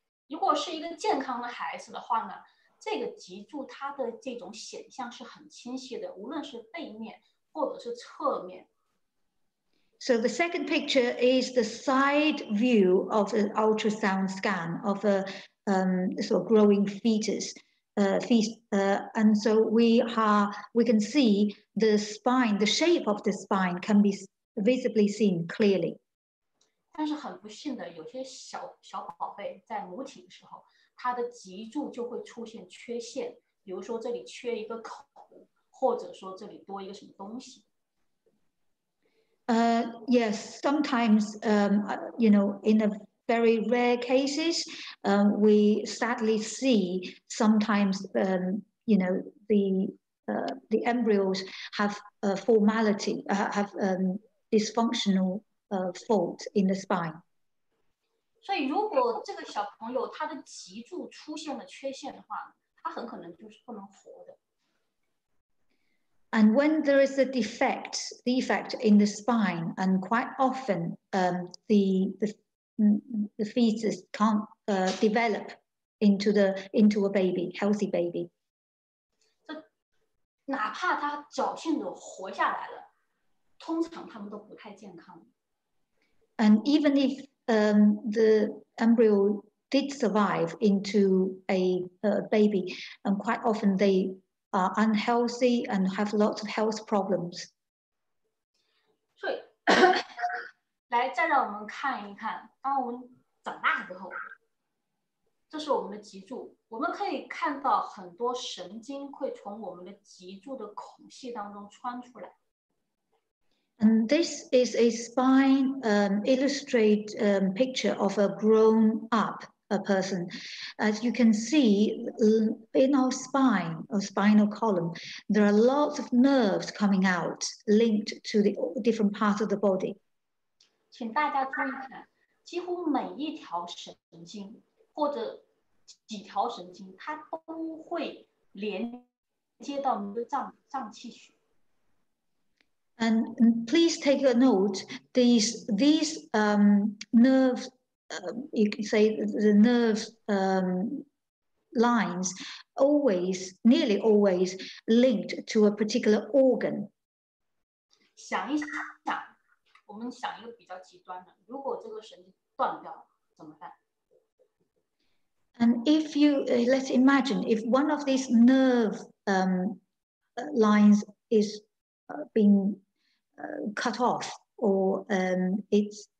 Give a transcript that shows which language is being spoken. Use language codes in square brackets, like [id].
[zh] 如果是一个健康的孩子的话呢，这个脊柱它的这种显像是很清晰的，无论是背面或者是侧面。 [en] So the second picture is the side view of an ultrasound scan of a sort of growing fetus. And so we can see the spine, the shape of the spine can be visibly seen clearly. [zh] 但是很不幸的，有些小小宝贝在母体的时候，他的脊柱就会出现缺陷，比如说这里缺一个口，或者说这里多一个什么东西。 [en] Yes, sometimes, you know, in a very rare cases, we sadly see sometimes, you know, the embryos have a formality, have dysfunctional fault in the spine. [zh] 所以如果这个小朋友他的脊柱出现了缺陷的话，他很可能就是不能活的。 [en] And when there is a defect, defect in the spine, and quite often the fetus can't develop into a baby, healthy baby. [zh] 这哪怕他侥幸的活下来了，通常他们都不太健康。 [en] And even if the embryo did survive into a baby, and quite often they. Are unhealthy and have lots of health problems. [zh] So, 来，再让我们看一看，当我们长大之后，这是我们的脊柱。我们可以看到很多神经会从我们的脊柱的孔隙当中穿出来。 [en] And this is a spine illustrate picture of a grown up. A person, as you can see in our spine, our spinal column, there are lots of nerves coming out linked to the different parts of the body. [zh] 请大家注意看，几乎每一条神经或者几条神经，它都会连接到我们的脏器血。 [en] And please take a note. These nerves. You can say the nerve lines always, nearly always linked to a particular organ. [zh] 想一想，我们想一个比较极端的，如果这个神经断掉怎么办？ [en] And if you, let's imagine, if one of these nerve lines is being cut off or it's